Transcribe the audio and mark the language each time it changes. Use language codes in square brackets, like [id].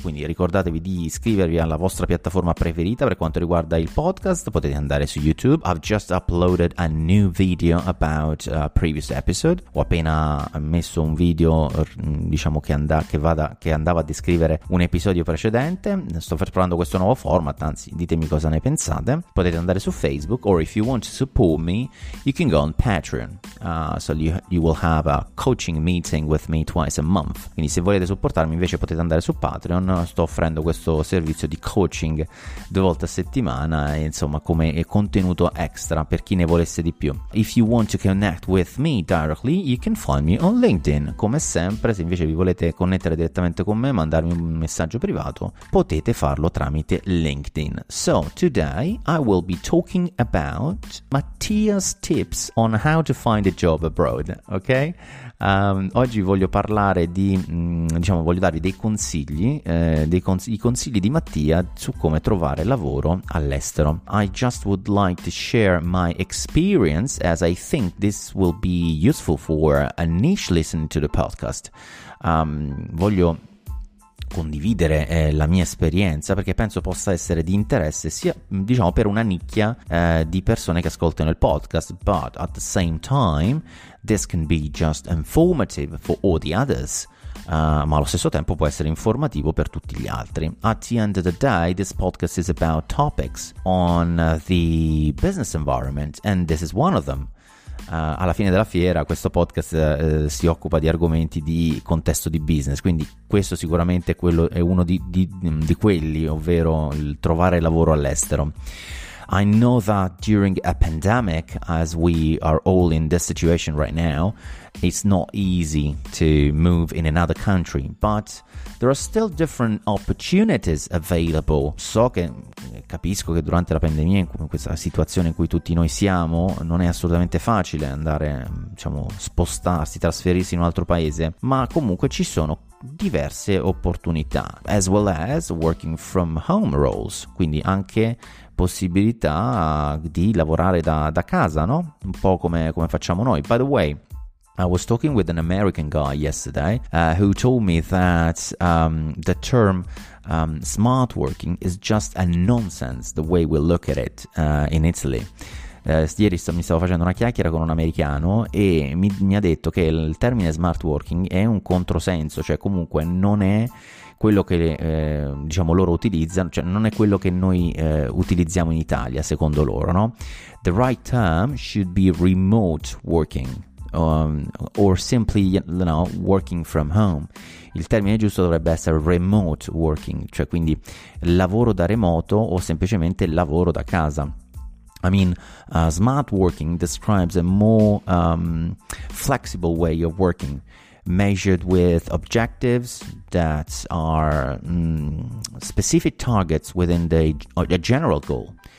[it] Quindi ricordatevi di iscrivervi alla vostra piattaforma preferita per quanto riguarda il podcast. Potete andare su YouTube. [en] I've just uploaded a new video about a previous episode. [it] Ho appena messo un video, diciamo, che andava a descrivere un episodio precedente. Sto provando questo nuovo format, anzi ditemi cosa ne pensate. Potete andare su Facebook, [en] or if you want to support me you can go on Patreon. So you will have a coaching meeting with me twice a month. [it] Quindi se volete supportarmi invece potete andare su Patreon. Sto offrendo questo servizio di coaching 2 volte a settimana, insomma, come contenuto extra per chi ne volesse di più. [en] If you want to connect with me directly, you can find me on LinkedIn. [it] Come sempre, se invece vi volete connettere direttamente con me, mandarmi un messaggio privato, potete farlo tramite LinkedIn. [en] So, today I will be talking about Mattia's tips on how to find a job abroad, ok? [it] Oggi voglio parlare di, diciamo, voglio darvi dei consigli, i consigli di Mattia su come trovare lavoro all'estero. [en] I just would like to share my experience as I think this will be useful for a niche listening to the podcast. [it] Voglio condividere la mia esperienza perché penso possa essere di interesse sia, diciamo, per una nicchia di persone che ascoltano il podcast, [en] but at the same time this can be just informative for all the others, [it] ma allo stesso tempo può essere informativo per tutti gli altri. [en] At the end of the day this podcast is about topics on the business environment and this is one of them. [it] Alla fine della fiera questo podcast si occupa di argomenti di contesto di business, quindi questo sicuramente quello è uno di quelli, ovvero il trovare lavoro all'estero. [en] I know that during a pandemic, as we are all in this situation right now, it's not easy to move in another country, but there are still different opportunities available. [it] So che capisco che durante la pandemia, in questa situazione in cui tutti noi siamo, non è assolutamente facile andare, diciamo, spostarsi, trasferirsi in un altro paese, ma comunque ci sono diverse opportunità, [en] as well as working from home roles, [it] quindi anche possibilità di lavorare da casa, no? Un po' come facciamo noi. [en] By the way, I was talking with an American guy yesterday who told me that the term smart working is just a nonsense the way we look at it in Italy. [it] Ieri mi stavo facendo una chiacchiera con un americano e mi ha detto che il termine smart working è un controsenso, cioè comunque non è quello che diciamo loro utilizzano, cioè non è quello che noi utilizziamo in Italia secondo loro, no? [en] The right term should be remote working or simply, you know, working from home. [it] Il termine giusto dovrebbe essere remote working, cioè quindi lavoro da remoto o semplicemente lavoro da casa. [en] I mean, smart working describes a more flexible way of working, measured with objectives that are specific targets within a general goal.